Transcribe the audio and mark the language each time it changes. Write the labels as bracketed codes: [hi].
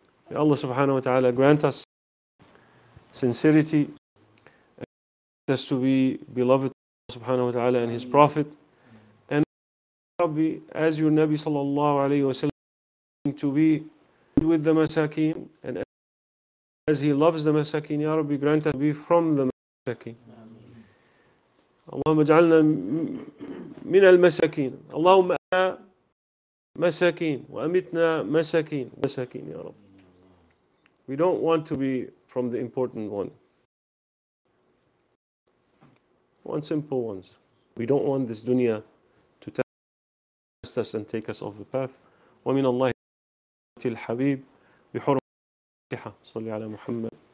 [en] May Allah subhanahu wa ta'ala grant us sincerity and us to be beloved of Allah subhanahu wa ta'ala and His Prophet. And Rabbi, as your Nabi sallallahu alayhi wa sallam, to be with the masakeen, and as He loves the masakeen, Ya Rabbi, grant us to be from the masakeen. [ar] اللهم اجعلنا من المساكين اللهم مساكين وامتنا مساكين مساكين يا رب. [en] We don't want to be from the important one. One simple ones. We don't want this dunya to test us and take us off the path. [ar] ومن الله الحبيب بحرمة الفاتحة صلي على محمد.